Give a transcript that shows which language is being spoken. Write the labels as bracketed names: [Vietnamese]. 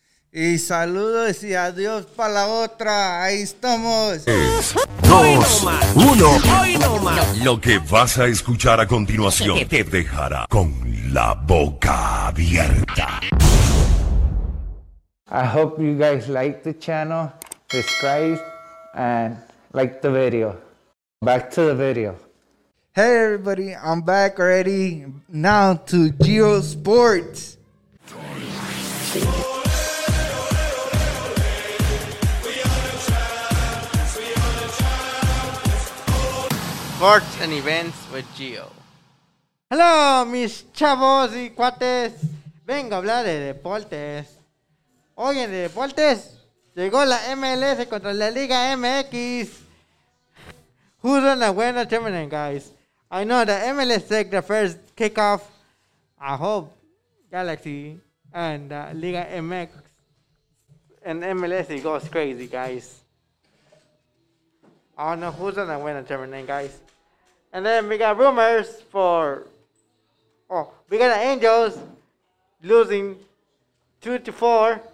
[Spanish] Y saludos y adiós para la otra. Ahí estamos. 3, 2, 1. Lo que vas a escuchar a continuación te dejará con la boca abierta. [English] I hope you guys like the channel, subscribe and like the video. Back to the video. Hey everybody, I'm back already. Now to Geo Sports. Sports and events with Gio. [Spanish] Hello, mis chavos y cuates. Vengo a hablar de deportes. Hoy en deportes llegó la MLS contra la Liga MX. [English] Who's on the winner tournament, guys? I know the MLS take the first kickoff. I hope Galaxy and Liga MX and MLS it goes crazy, guys. I don't know who's on the winner tournament, guys. And then we got rumors for, we got the Angels losing 2-4.